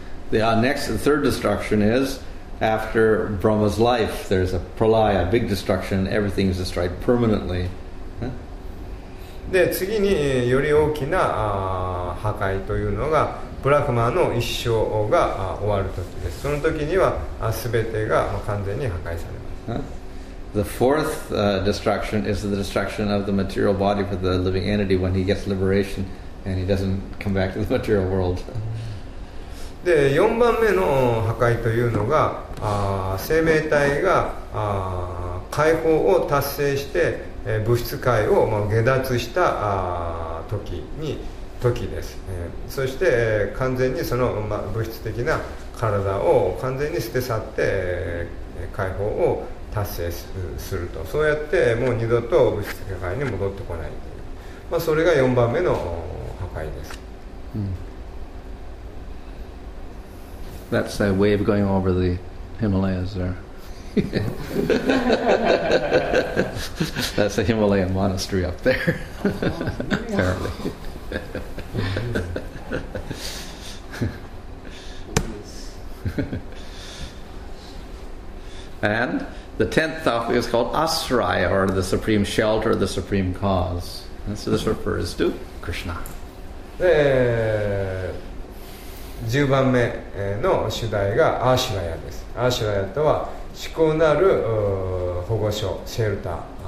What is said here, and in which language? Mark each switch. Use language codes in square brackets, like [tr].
[en] The next, the third destruction is after Brahma's life. There's a pralaya, a big destruction. Everything is destroyed permanently. [ja] で次により大きな破壊というのがブラフマの一生が終わる時です。その時には全てが完全に破壊されます。 [en] The fourth destruction is the destruction of the material body for the living entity when he gets liberation and he doesn't come back to the material world. [ja] で、4番目の破壊というのが、生命体が解放を達成して、物質界を、まあ、下脱した時です。そして、完全にその、まあ、物質的な体を完全に捨て去って、解放を達成すると、そうやってもう二度と物質世界に戻ってこないという、まあ、それが4番目の破壊です、 [en] うん、That's a wave going over the Himalayas there. That's a Himalayan monastery up there. Apparently. And the tenth topic is called Asraya, or the supreme shelter, the supreme cause. And so this refers to Krishna. [ja] で、十番目の主題がアシュラヤです。アシュラヤとは至高なる保護所、シェルター